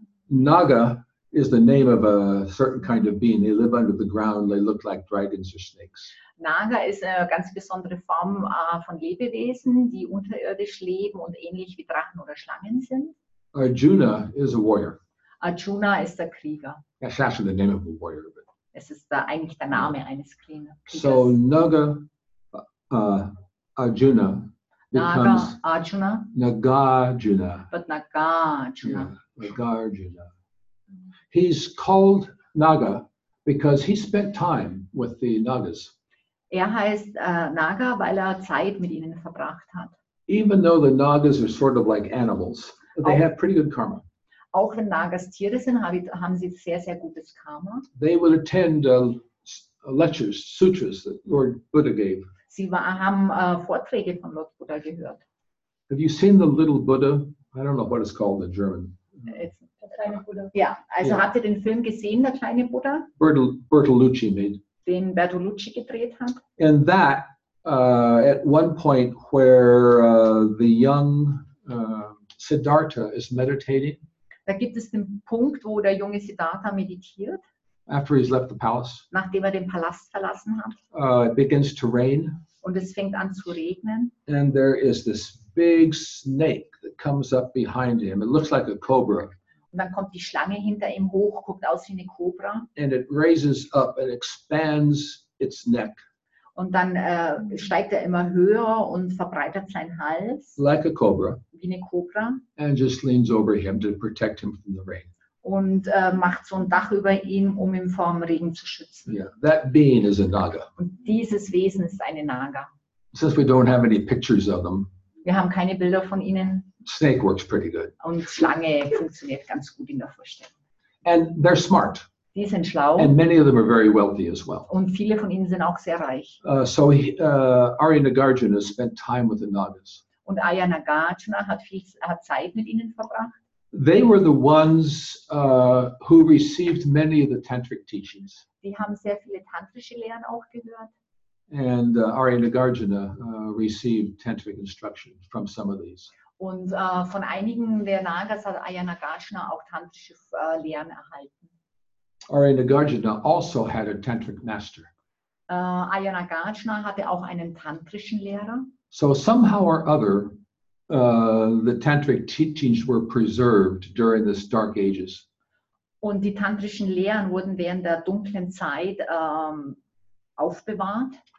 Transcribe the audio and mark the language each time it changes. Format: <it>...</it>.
<en>Naga is the name of a certain kind of being. They live under the ground. They look like dragons or snakes.</en> <de>Naga ist eine ganz besondere Form von Lebewesen, die unterirdisch leben und ähnlich wie Drachen oder Schlangen sind.</de> <en>Arjuna is a warrior.</en> <de>Arjuna ist der Krieger.</de> <en>That's actually the name of a warrior.</en> <de>Es ist da eigentlich der Name eines Krieges.</de> <en>So Naga Arjuna becomes Naga Arjuna. Nagarjuna. But Nagarjuna. Yeah, Nagarjuna. He's called Naga because he spent time with the Nagas.</en> <de>Er heißt Naga, weil er Zeit mit ihnen verbracht hat.</de> <en>Even though the Nagas are sort of like animals, but they have pretty good karma.</en> <de>Auch wenn Nagas Tiere sind, haben sie sehr, sehr gutes Karma.</de> <en>They will attend lectures, sutras that Lord Buddha gave.</en> <de>Sie haben Vorträge von Lord Buddha gehört.</de> <en>Have you seen the little Buddha? I don't know what it's called in German.</en> <de>Der kleine Buddha. Ja, also habt ihr den Film gesehen, der kleine Buddha?</de> <en>Bertolucci made.</en> <de>Den Bertolucci gedreht hat.</de> <en>And that, at one point where the young Siddhartha is meditating.</en> <de>Da gibt es den Punkt, wo der junge Siddhartha meditiert.</de> <en>After he's left the palace.</en> <de>Nachdem er den Palast verlassen hat.</de> <en>It begins to rain.</en> <de>Und es fängt an zu regnen.</de> <en>And there is this big snake that comes up behind him. It looks like a cobra.</en> <de>Und dann kommt die Schlange hinter ihm hoch, guckt aus wie eine Kobra.</de> <en>And it raises up and expands its neck.</en> <de>Und dann steigt er immer höher und verbreitert seinen Hals.</de> <en>Like a cobra.</en> <de>Wie eine Kobra.</de> <en>And just leans over him to protect him from the rain.</en> <de>Und macht so ein Dach über ihm, um ihn vor dem Regen zu schützen.</de> <en>Yeah, that being is a Naga.</en> <de>Und dieses Wesen ist eine Naga.</de> <en>Since we don't have any pictures of them.</en> <de>Wir haben keine Bilder von ihnen.</de> <en>Snake works pretty good.</en> <de>Und Schlange funktioniert ganz gut in der Vorstellung.</de> <en>And they're smart.</en> <de>Die sind schlau.</de> <en>And many of them are very wealthy as well.</en> <de>Und viele von ihnen sind auch sehr reich.</de> <en>Arya Nagarjuna spent time with the Nagas.</en> <de>Und Arya Nagarjuna hat Zeit mit ihnen verbracht.</de> <en>They were the ones who received many of the tantric teachings.</en> <de>Die haben sehr viele tantrische Lehren auch gehört.</de> <en>And Arya Nagarjuna received tantric instruction from some of these.</en> <de>Und von einigen der Nagas hat Arya Nagarjuna auch tantrische Lehren erhalten.</de> <en>Arya Nagarjuna also had a tantric master.</en> <de>Arya Nagarjuna hatte auch einen tantrischen Lehrer.</de> <en>So somehow or other, the tantric teachings were preserved during this dark ages.</en> <de>Und die tantrischen Lehren wurden während der dunklen Zeit aufbewahrt.</de>